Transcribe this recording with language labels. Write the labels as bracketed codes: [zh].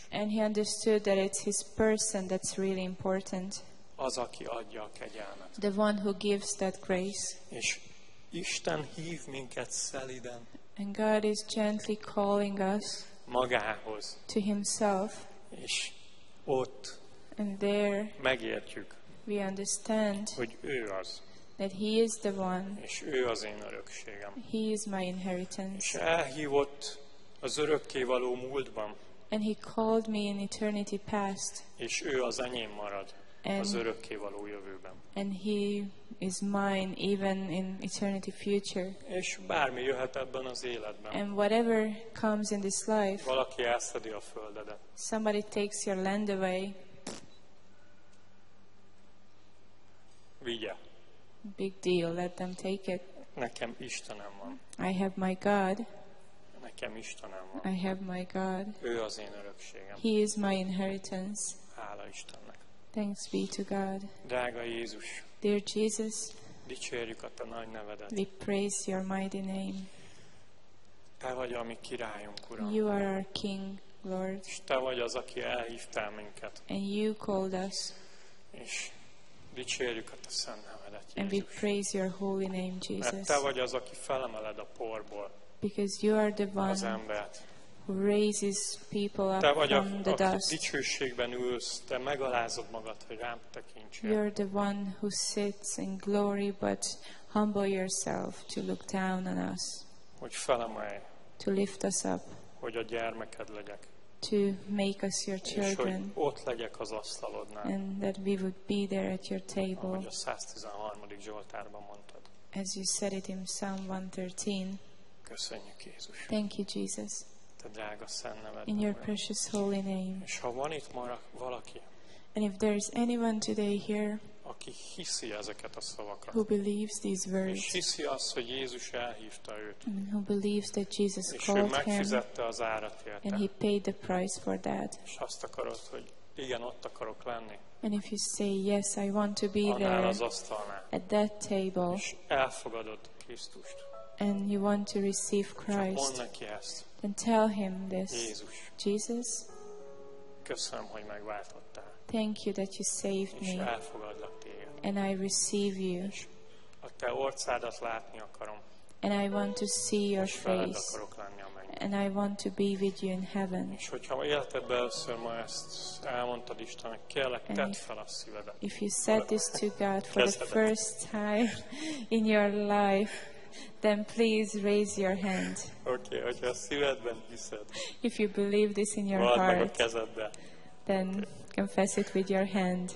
[en] And he understood that it's his person that's really important. [hu] Az, aki adja a kegyelmet. [en] The one who gives that grace. [hu] És Isten hív minket szeliden. [en] And God is gently calling us [hu] magához. [en] To himself. [hu] És ott [en] and there [hu] megértjük. [en] We understand [hu] hogy ő az. [en] That he is the one. [hu] És ő az én örökségem. [en] He is my inheritance. [hu] És elhívott az örökké való múltban. [en] And he called me in eternity past. [hu] És ő az enyém marad az örökké való jövőben. [en] And he is mine even in eternity future. [hu] És bármi jöhet ebben az életben. [en] And whatever comes in this life. [hu] Valaki elszedi a földedet. [en] Somebody takes your land away. [hu] Vigye. [en] Big deal, let them take it. [hu] Nekem Istenem van. [en] I have my God. [hu] Nekem Istenem van. [en] I have my God. [hu] Ő az én örökségem. [en] He is my inheritance. [hu] Hála Istennek. [en] Thanks be to God. [hu] Drága Jézus. [en] Dear Jesus. [hu] Dicsérjük a te nagy nevedet. [en] We praise your mighty name. [hu] Te vagy a mi királyunk, Uram. [en] You are our King, Lord. [hu] És te vagy az, aki elhívtál minket. [en] And you called us. [hu] És dicsérjük a te szent nevedet, Jézus. [en] And we praise your holy name, Jesus. [hu] Mert te vagy az, aki felemeled a porból. [en] Because you are the one who raises people up from the dust. [hu] Dicsőségben ülsz, te megalázod magad, hogy rám tekintsél. [en] You are the one who sits in glory, but humble yourself to look down on us. [hu] Hogy felemelj. [en] To lift us up. [hu] Hogy a gyermeked legyek. [en] To make us your children. [hu] És hogy ott legyek az asztalodnál. [en] And that we would be there at your table. [hu] Ahogy a 113. Zsoltárban mondtad. [en] As you said it in Psalm 113. [hu] Köszönjük, Jézus. [en] Thank you, Jesus. [hu] Te drága szent nevedben. [en] In your precious holy name. [hu] És ha van itt marad valaki, [en] and if there is anyone today here, [hu] aki hiszi ezeket a szavakat, [en] who believes these words, [hu] és hiszi azt, hogy Jézus elhívta őt, [en] and who believes that Jesus called him, [hu] és ő megfizette az árat érte, [en] and he paid the price for that, [hu] és azt akarod, hogy igen, ott akarok lenni, [en] and if you say yes, I want to be there, [hu] az asztalnál, [en] at that table, [hu] és elfogadod Krisztust, [en] and you want to receive Christ, [hu] mondd neki ezt, [en] then tell him this. [hu] Jézus, [en] Jesus, [hu] köszönöm, hogy megváltottál. [en] Thank you that you saved me. [hu] És elfogadlak téged. [en] And I receive you. [hu] És a te orcádat látni akarom. [en] And I want to see your face. [hu] És veled akarok lenni a mennyben. [en] And I want to be with you in heaven. [hu] És hogyha életedben először ma ezt elmondtad Istennek, kérlek, tedd fel a szívedet. [en] If you said this to God for the first time in your life, then please raise your hand. [hu] Okay, hogyha a szívedben hiszed. [en] If you believe this in your heart, then confess it with your hand.